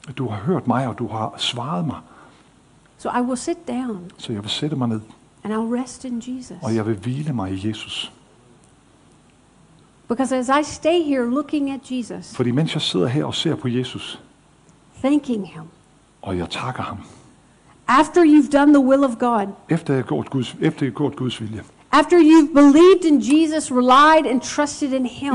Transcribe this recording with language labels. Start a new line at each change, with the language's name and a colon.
Danish: Du har hørt mig og du har svaret mig.
English: So I will sit down.
Danish: Så jeg vil sætte mig ned.
English: And I'll rest in Jesus.
Danish: Og jeg vil hvile mig i Jesus.
English: Because as I stay here looking at Jesus.
Danish: Fordi mens jeg sidder her og ser på Jesus.
English: Thanking him.
Danish: Og jeg takker ham.
English: After you've done the will of God.
Danish: Efter jeg har gjort Guds vilje.
English: After you've believed in Jesus, relied and trusted in him.